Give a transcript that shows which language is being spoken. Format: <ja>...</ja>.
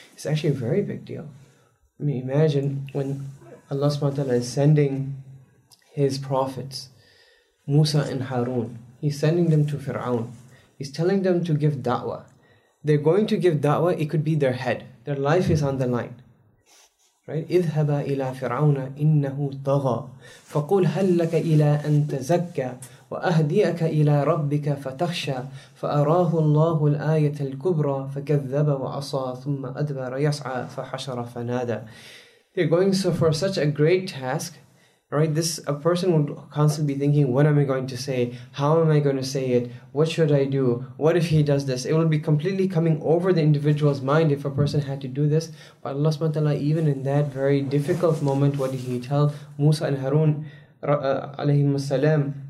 <en>It's actually a very big deal. I mean, imagine when Allah subhanahu wa ta'ala is sending His prophets, Musa and Harun. He's sending them to Fir'aun. He's telling them to give da'wah. They're going to give da'wah, it could be their head. Their life is on the line. Right?</en> <ar>اذهبا إلى فرعون إنه طغى فقول هل لك إلى أن تزكى وأهديك إلى ربك فتخشى فأراه الله الآية الكبرى فكذب وعصى ثم أدبر يسعى فحشر فنادى.</ar> <en>They're going so for such a great task, right? This a person would constantly be thinking, what am I going to say? How am I going to say it? What should I do? What if he does this? It will be completely coming over the individual's mind if a person had to do this. But Allah subhanahu wa ta'ala, even in that very difficult moment, what did he tell Musa and Harun alayhim salam?</en>